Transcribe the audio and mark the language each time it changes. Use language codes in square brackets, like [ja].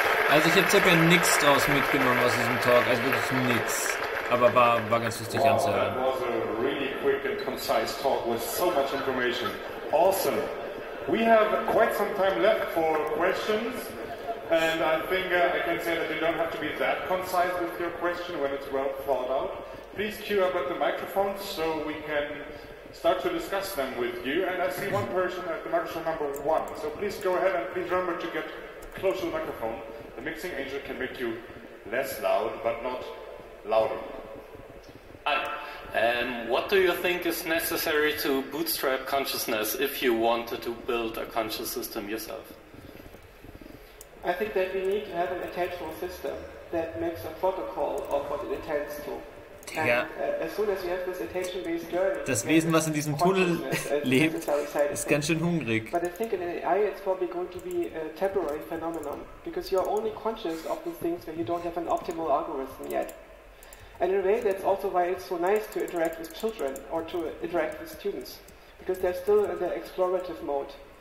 [de] Also ich habe circa nichts draus mitgenommen aus diesem Talk, also wirklich nichts. Aber war ganz lustig anzuhören. [en] Wow, that was a really quick and concise talk with so much information. Awesome. We have quite some time left for questions. And I think I can say that you don't have to be that concise with your question when it's well thought out. Please queue up at the microphone so we can start to discuss them with you. And I see one person at the microphone number one. So please go ahead and please remember to get close to the microphone. The mixing agent can make you less loud, but not louder. Hi. What do you think is necessary to bootstrap consciousness if you wanted to build a conscious system yourself? I think that we need to have an attentional system that makes a protocol of what it attends to. [de] Ja. [en] As soon as you have this attention-based journey, [de] das Wesen, was in diesem Tunnel lebt, ist ganz schön hungrig. [en] But I think in AI it's probably going to be a temporary phenomenon, because you are only conscious of these things when you don't have an optimal algorithm yet. And in a way, that's also why it's so nice to interact with children or to interact with students, because they're still in the explorative mode.